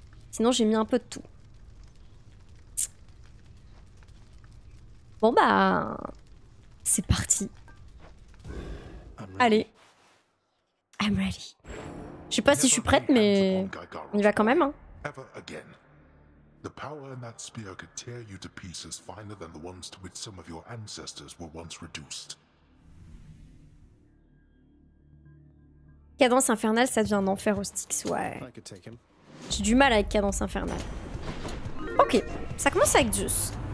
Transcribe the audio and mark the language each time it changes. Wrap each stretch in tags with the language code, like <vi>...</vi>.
<fr>Sinon, j'ai mis un peu de tout. Bon bah... C'est parti. Allez.</fr> <en>I'm ready.</en> <fr>Je sais pas si je suis prête, mais on y va quand même, hein.</fr> <en>Ever again. The power in that spear could tear you to pieces finer than the ones to which some of your ancestors were once reduced.</en> <fr>Cadence infernale, ça devient un enfer aux sticks, ouais. J'ai du mal avec cadence infernale. Ok, ça commence avec Zeus.</fr>